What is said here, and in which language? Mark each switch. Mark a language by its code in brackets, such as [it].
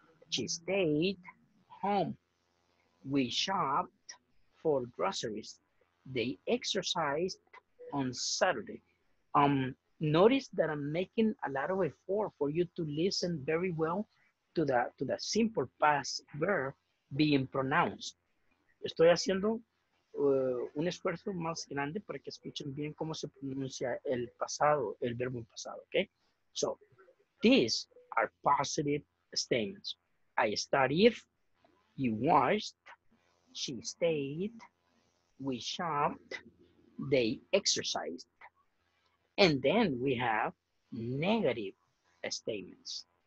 [en] She stayed home. We shopped for groceries. They exercised on Saturday. Notice that I'm making a lot of effort for you to listen very well to the simple past verb being pronounced. [es] Estoy haciendo un esfuerzo más grande para que escuchen bien cómo se pronuncia el pasado, el verbo pasado, okay? [en] So, these are positive statements. I studied, you watched, she stayed, we shopped, they exercised. And then we have negative statements.